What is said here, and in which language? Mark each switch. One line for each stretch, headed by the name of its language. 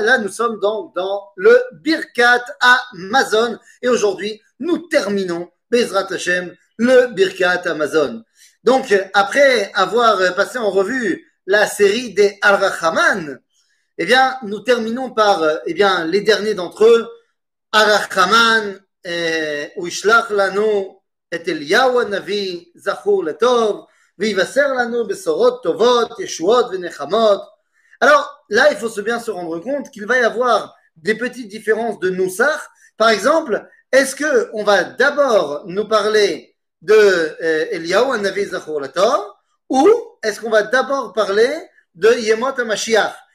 French: Là nous sommes donc dans le Birkat Amazon, et aujourd'hui nous terminons Bezrat Hashem le Birkat Amazon. Donc après avoir passé en revue la série des Arachaman, eh bien nous terminons par les derniers d'entre eux, Arachaman.
Hebrew: וישלח לנו את אליהו הנביא זכור לטוב ויבשר לנו בשורות טובות ישועות ונחמות.
French: Alors là il faut se bien se rendre compte qu'il va y avoir des petites différences de nousach. Par exemple, est-ce que on va d'abord nous parler de
Hebrew: אליהו הנביא זכור לטוב,
French: ou est-ce qu'on va d'abord parler de
Hebrew: ימות המשיח?